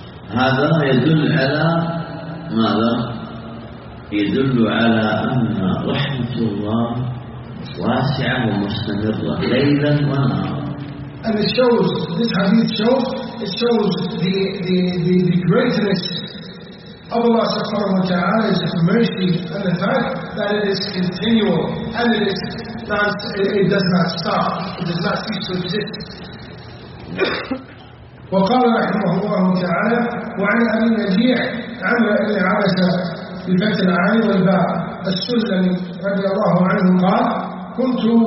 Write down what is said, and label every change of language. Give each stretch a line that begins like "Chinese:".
Arabic: هذا يدل على ماذا؟ يدل على أن رحمة الله واسعة ومستمرة ليلا ونهارا.
English: And it shows this hadith shows it shows the greatness of Allah subhanahu wa ta'ala's mercy and the fact that it is continual and it does not stop it does not cease to exist.
Arabic: وقال رحمه الله تعالى وعن أبي نجيع عمرو بن عبسة بفتح العين والباء السلمي رضي الله عنه قال كنت